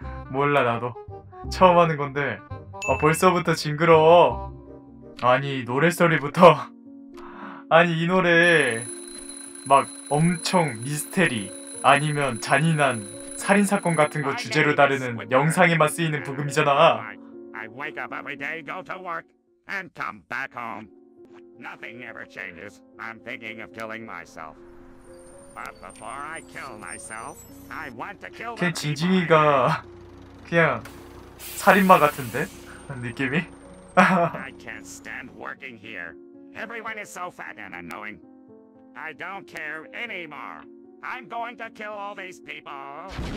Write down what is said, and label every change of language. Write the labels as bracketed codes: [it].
[ko] 몰라 나도 처음 하는 건데 벌써부터 징그러워. 아니 노랫소리부터 아니 이 노래 막 엄청 미스테리 아니면 잔인한 살인사건 같은 거 주제로 다루는 영상에만 쓰이는 부금이잖아. [en] I wake up every day, go to work, and come back home. Nothing ever changes. I'm thinking of killing myself. But before I kill myself, I want to kill [ko] 걘 [en] the people I hate. [ko] 징징이가 그냥 살인마 같은데? 느낌이? [en] I can't stand working here. Everyone is so fat and annoying. I don't care anymore. I'm going to kill all these people.